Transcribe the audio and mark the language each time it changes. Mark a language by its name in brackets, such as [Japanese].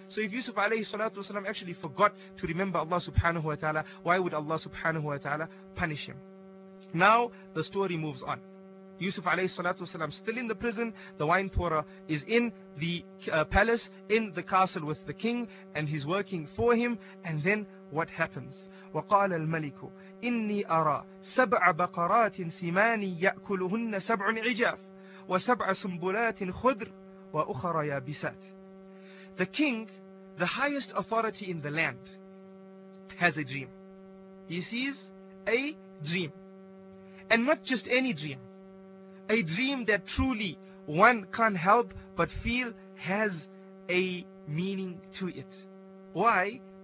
[English] So if Yusuf alayhi salatu wasalam actually forgot to remember Allah subhanahu wa ta'ala, why would Allah subhanahu wa ta'ala punish him? Now the story moves on. Yusuf alayhi salatu wasalam still in the prison. The wine pourer is in the palace, in the castle with the king, and he's working for him. And then what happens? [Arabic] وقال الملك إني أرى سبع بقرات سمان يأكلهن سبع عجاف وسبع سنبلات خضر وأخرى يابسات. [English] The king, the highest authority in the land, has a dream. He sees a dream. And not just any dream. A dream that truly one can't help but feel has a meaning to it. Why?